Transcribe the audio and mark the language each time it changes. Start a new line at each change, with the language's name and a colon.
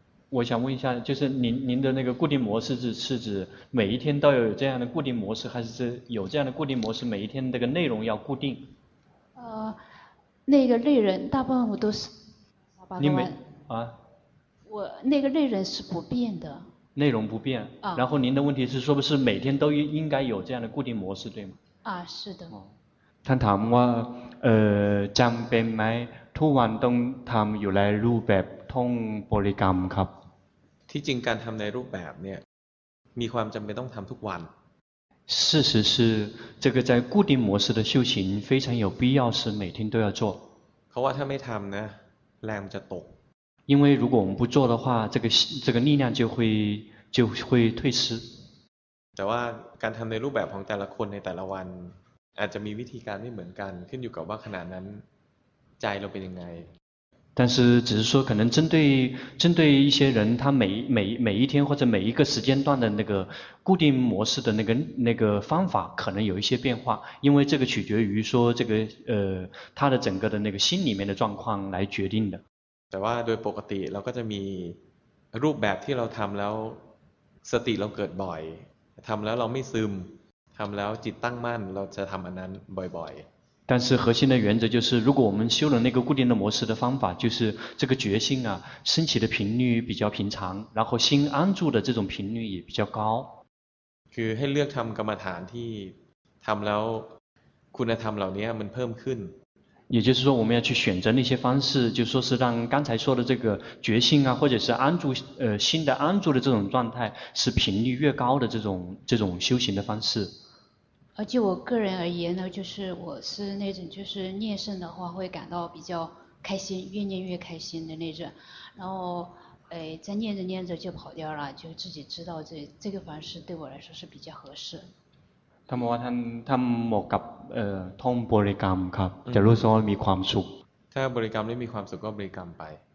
Chinese: 我想问一下就是您的那个固定模式是指每一天都有这样的固定模式还是有这样的固定模式每一天那个内容要固定那个内容大部分我都是你们啊我那个内容是不变的内容不变、啊、然后您的问题是说不是每天都应该有这样的固定模式对吗啊是的
Thai: ท่านถามว่าจำเป็นไหมทุกวันต้องทำอยู่ในรูปแบบท่องบริกรรมครับ ที่จริงการทำในรูปแบบเนี่ย 有ความจำเป็นต้องทำทุกวัน
Chinese: 事实是这个在固定模式的修行非常有必要是每天都要做
Thai: เพราะว่าถ้าไม่ทำนะแรงจะตก
Chinese: 因为如果我们不做的话这个力量就会退失
Thai: แต่ว่าการทำในรูปแบบของแต่ละคนในแต่ละวันอาจจะมีวิธีการไม่เหมือนกันขึ้นอยู่กับว่าขณะนั้นใจเราเป็นยังไง
Chinese: 但是只是说可能针对一些人他每一天或者每一个时间段的那个固定模式的那个方法可能有一些变化因为这个取决于说这个他的整个的那个心里面的状况来决定的
Thai: แต่ว่าโดยปกติเราก็จะมีรูปแบบที่เราทำแล้วสติเราเกิดบ่อยทำแล้วเราไม่ซึมทำแล้วจิตตั้งมั่นเราจะทำอันนั้นบ่อยๆ
Chinese: 但是核心的原则就是如果我们修了那个固定的模式的方法就是这个觉性啊升起的频率比较平常然后心安住的这种频率也比较高
Thai: คือให้เลือกทำกรรมฐานที่ทำแล้วคุณธรรมเหล่านี้มันเพิ่มขึ้น
Chinese: 也就是说我们要去选择那些方式就是说是让刚才说的这个觉性啊或者是安住心的安住的这种状态是频率越高的这种修行的方式而且我个人而言呢，就是我是那种就是念圣的话会感到比较开心，越念越开心的那种。然后，在念着念着就跑掉了，就自己知道这个方式对我来说是比较合适。他们话他们莫กับ ท่องบริกรรมครับ假如说มีความสุข
Thai: ถ้าบริกรรมไม่มีความสุขก็บริกรรมไป